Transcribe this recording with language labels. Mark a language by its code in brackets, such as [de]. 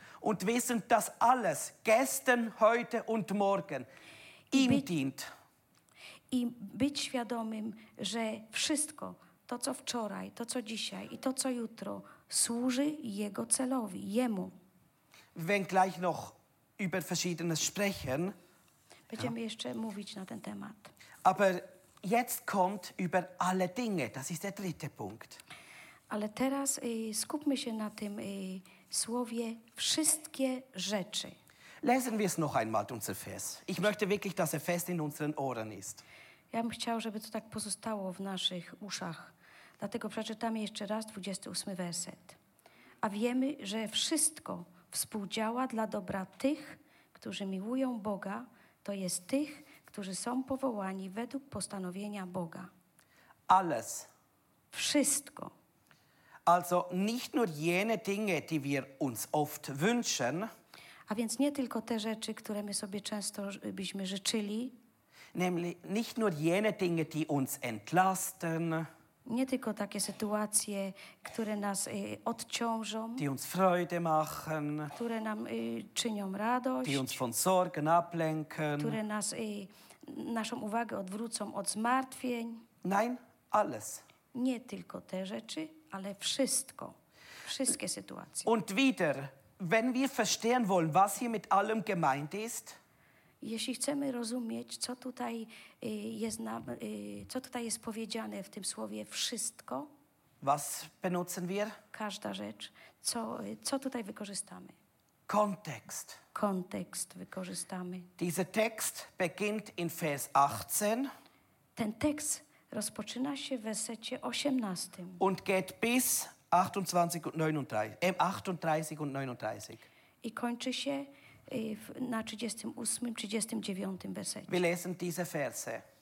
[de] Und wissen, dass alles gestern, heute und morgen ihm dient. [pl] I być świadomym, że wszystko, to co wczoraj, to co dzisiaj i to co jutro, służy jego celowi, jemu. [de] Wenngleich noch über verschiedenes sprechen. [pl] Będziemy jeszcze mówić na ten temat. [de] Aber jetzt kommt über alle Dinge, das ist der dritte Punkt. [pl] Ale teraz skupmy się na tym słowie wszystkie rzeczy. [de] Lesen wir es noch einmal, unser Vers. Ich möchte wirklich, dass fest in unseren Ohren ist. [pl] Ja bym chciał, żeby to tak pozostało w naszych uszach. Dlatego przeczytamy jeszcze raz 28 werset. A wiemy, że wszystko współdziała dla dobra tych, którzy miłują Boga, to jest tych, którzy są powołani według postanowienia Boga. [de] Alles. [pl] Wszystko. [de] Also nicht nur jene Dinge, die wir uns oft wünschen. [pl] A więc nie tylko te rzeczy, które my sobie często byśmy życzyli. [de] Nämlich nicht nur jene Dinge, die uns entlasten. [pl] Nie tylko takie sytuacje, które nas odciążą. [de] Die uns Freude machen. [pl] Które nam czynią radość. [de] Die uns von Sorgen ablenken. [pl] Które nas naszą uwagę odwrócą od zmartwień. [de] Nein, alles. [pl] Nie tylko te rzeczy, ale wszystko. Wszystkie sytuacje. [de] Und wieder, wenn wir verstehen wollen, was hier mit allem gemeint ist. [pl] Jeśli chcemy rozumieć, co tutaj jest nam, co tutaj jest powiedziane w tym słowie wszystko. [de] Was benutzen wir? [pl] Każda rzecz. Co tutaj wykorzystamy? [de] Kontext. [pl] Kontext wykorzystamy. [de] Dieser Text beginnt in Vers 18. [pl] Ten tekst rozpoczyna się w wersecie 18. [de] Und geht bis 28 und 39. 38 und 39. [pl] I kończy się na 38, 39 wersecie. [de] Wir lesen diese Verse.